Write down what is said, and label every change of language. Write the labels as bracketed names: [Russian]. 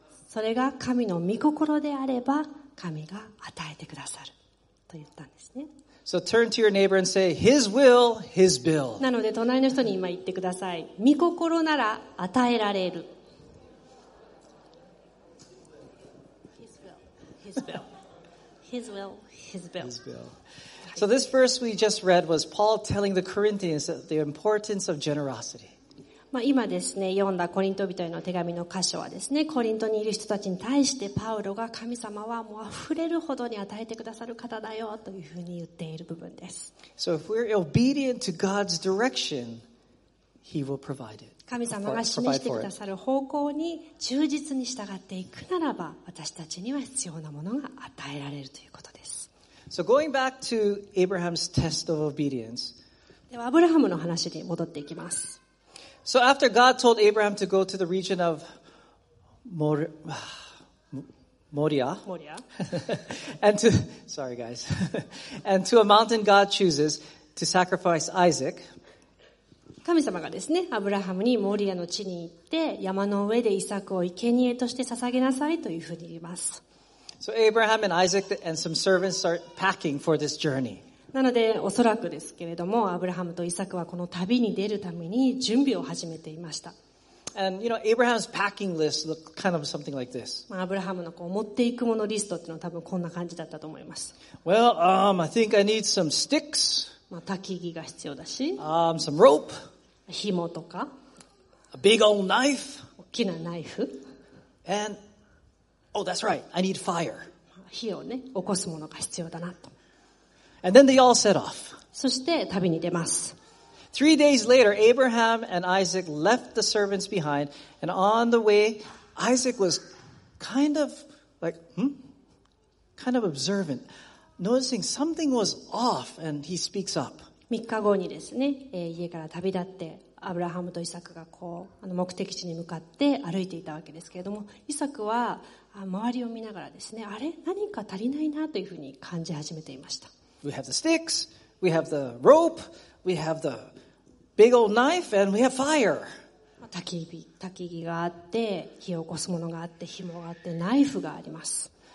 [Japanese] それが神の御心であれば、神が与えてくださると言ったんですね。 [English] So turn to your neighbor and say, His will, His bill. [Japanese] なので隣の人に今言ってください。御心なら与えられる。 [English] His will, His bill. His will, His bill. So this verse we just read was Paul telling the Corinthians the importance of generosity. [Japanese] まあ、今ですね、読んだコリント人への手紙の箇所はですね、コリントにいる人たちに対してパウロが神様はもう溢れるほどに与えてくださる方だよというふうに言っている部分です。 [English] So if we're obedient to God's direction, He will provide it. [Japanese] 神様が示してくださる方向に忠実に従っていくならば、私たちには必要なものが与えられるということです。 [English] So going back to Abraham's test of obedience. [Japanese] では、アブラハムの話に戻っていきます。 [English] So after God told Abraham to go to the region of Moria, and to, sorry guys, and to a mountain God chooses to sacrifice Isaac. [Japanese] 神様がですね、アブラハムにモリアの地に行って、山の上でイサクを生贄として捧げなさいというふうに言います。 [English] So Abraham and Isaac and some servants start packing for this journey. [Japanese] なのでおそらくですけれども、アブラハムとイサクはこの旅に出るために準備を始めていました。 [English] And you know, Abraham's packing list looked kind of something like this. [Japanese] Abraham のこう持っていくものリストっていうのは多分こんな感じだったと思います。 [English] Well, I think I need some sticks. [Japanese] まあ、焚き木が必要だし。 [English] Some rope. [Japanese] 紐とか。 [English] A big old knife. [Japanese] 大きなナイフ。 [English] And, oh, that's right. I need fire. [Japanese] 火をね、起こすものが必要だなと。 [English] And then they all set off. [Japanese] そして旅に出ます。 [English] Three days later, Abraham and Isaac left the servants behind, and on the way, Isaac was kind of like, kind of observant, noticing something was off, and he speaks up. [Japanese] 3日後にですね、家から旅立って、アブラハムとイサクがこう、目的地に向かって歩いていたわけですけれども、イサクは周りを見ながらですね、あれ、何か足りないなというふうに感じ始めていました。 [English] We have the sticks, we have the rope, we have the big old knife, and we have fire. [Japanese] 焚き木があって、火を起こすものがあって、紐があって、ナイフがあります。